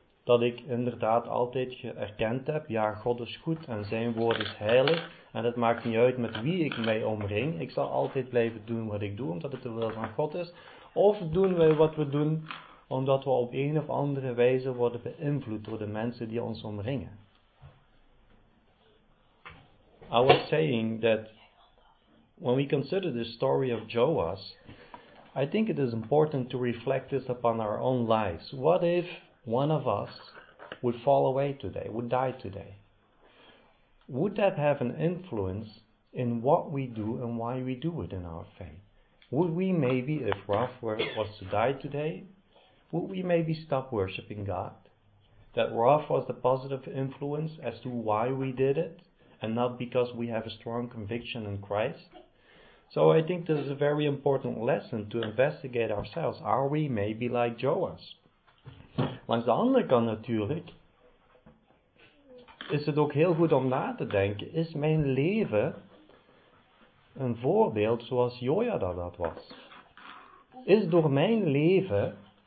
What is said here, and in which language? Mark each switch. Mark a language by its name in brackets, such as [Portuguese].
[Dutch] Dat ik inderdaad altijd erkend heb, ja, God is goed en zijn woord is heilig. En het maakt niet uit met wie ik mij omring. Ik zal altijd blijven doen wat ik doe, omdat het de wil van God is. Of doen wij wat we doen, omdat we op een of andere wijze worden beïnvloed door de mensen die ons omringen. [English] I was saying that when we consider the story of Joas, I think it is important to reflect this upon our own lives. What if one of us would fall away today, would die today? Would that have an influence in what we do and why we do it in our faith? Would we maybe, if Raph was to die today, would we maybe stop worshiping God? That Raph was the positive influence as to why we did it, and not because we have a strong conviction in Christ? So I think this is a very important lesson to investigate ourselves. Are we maybe like Joas? [Dutch] Langs de andere kant natuurlijk is het ook heel goed om na te denken, is mijn leven een voorbeeld zoals Jojada dat was? Is door mijn leven